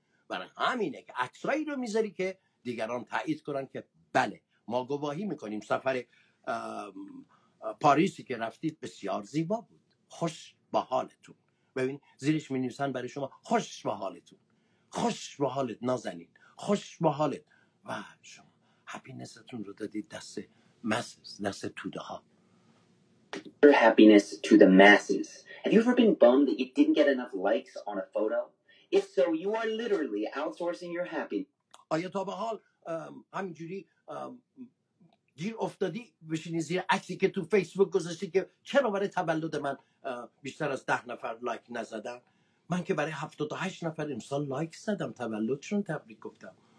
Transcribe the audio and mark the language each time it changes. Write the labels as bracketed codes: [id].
[fa] برای همینه که عکسایی رو میذاری که دیگران تایید کنن که بله، ما گواهی میکنیم سفر پاریسی که رفتید بسیار زیبا بود، خوش به حالتون. ببین زیرش مینویسن برای شما خوش به حالتون، خوش به حالت نازنین، خوش به حالت. و شما هپینستون رو دادید دست ماسز، دست توده ها. [en] Your happiness to the masses. Have you ever been bummed that you didn't get enough likes on a photo? If so, you are literally outsourcing your happiness. [fa] آیا تا به حال همینجوری گیر افتادی بشینی زیر عکسی که تو فیسبوک گذاشتی که چرا برای تولد من بیشتر از 10 نفر لایک نزدن؟ من که برای 78 نفر امسال لایک زدم، تولدشون تبریک گفتم.